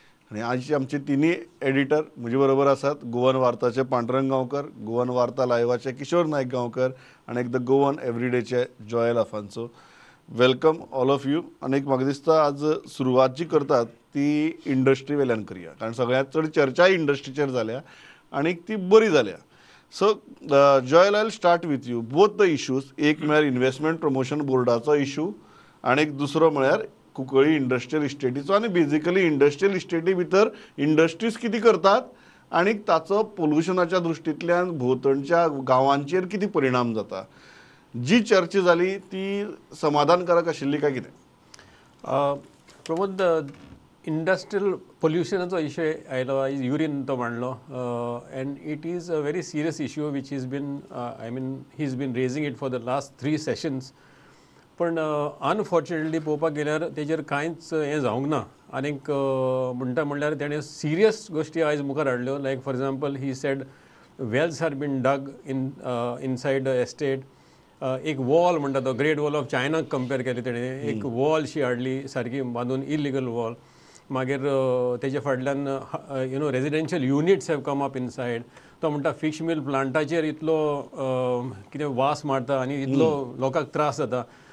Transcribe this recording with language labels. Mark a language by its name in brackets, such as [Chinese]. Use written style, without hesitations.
[Goan Konkani] आनी आयचे आमचे तिनूय एडिटर म्हजे बरोबर आसात, गोवन वार्ताचे पांडुरंग गांवकर, गोवन वार्ता लायव्हाचे किशोर नायक गांवकर आनी एक the Goan एवरीडेचे Joel आफांसो. [English] Welcome all of you. [Goan Konkani] आनी म्हाका दिसता आज सुरवात जी करतात ती इंडस्ट्री वेल्यान करया, कारण सगळ्यांत चड चर्चा इंडस्ट्रीचेर जाल्या आनी ती बरी जाल्या. [English] So Joel, I will start with you. Both the issues, [Goan Konkani] एक म्हळ्यार इनवेस्टमेंट प्रमोशन बोर्डाचो इशू आनी दुसरो म्हळ्यार कुंकळ्ळी इंडस्ट्रियल इस्टेटीचो. आनी बेजिकली इंडस्ट्रियल इस्टेटी भितर इंडस्ट्रीज कितें करतात आनी ताचो पोल्युशनाच्या दृश्टींतल्यान भोंवतणच्या गांवांचेर कितें परिणाम जाता, जी चर्चा जाली ती समाधानकारक आशिल्ली काय कितें? [English] Pramod, [Goan Konkani] इंडस्ट्रियल पोल्युशनाचो इशू आयलो, इज युरीन तो म्हणलो, [English] And it is a very serious issue which is been I mean he is been raising it for the last 3 sessions. [Goan Konkani] पण अनफॉर्च्युनेटली पळोवपाक गेल्यार तेजेर कांयच हें जावंक ना. आनीक म्हणटा म्हणल्यार तेणें सिरियस गोश्टी आयज मुखार हाडल्यो. [English] Like for example, he said wells are been dug in inside estate. [Goan Konkani] एक वॉल म्हणटा तो ग्रेट वॉल ऑफ चायनाक कंपेर केली तेणें. एक वॉल शी हाडली सारकी बांदून, [English] Illegal wall. [Goan Konkani] मागीर तेज्या फाटल्यान [English] You know residential units have come up inside. [Goan Konkani] तो म्हणटा फिश मील प्लांटाचेर इतलो कितें वास मारता आनी इतलो लोकांक त्रास जाता.